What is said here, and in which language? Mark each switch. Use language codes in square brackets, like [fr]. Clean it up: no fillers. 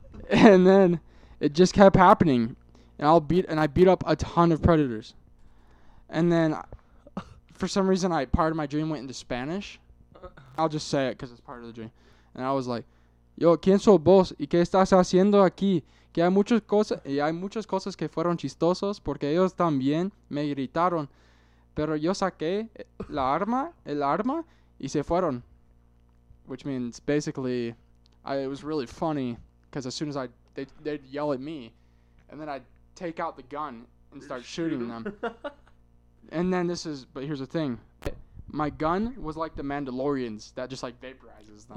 [en] And then it just kept happening. And I beat up a ton of predators. And then, for some reason, part of my dream went into Spanish. I'll just say it because it's part of the dream. And I was like, [es] yo, ¿quién sos vos? ¿Y qué estás haciendo aquí? Que hay muchas cosas, y hay muchas cosas que fueron chistosos porque ellos también me gritaron. Pero yo saqué el arma, y se fueron. [en] Which means, basically, it was really funny because as soon as they'd yell at me, and then I'd take out the gun and start shooting them. And then here's the thing. My gun was like the Mandalorians that just vaporizes them.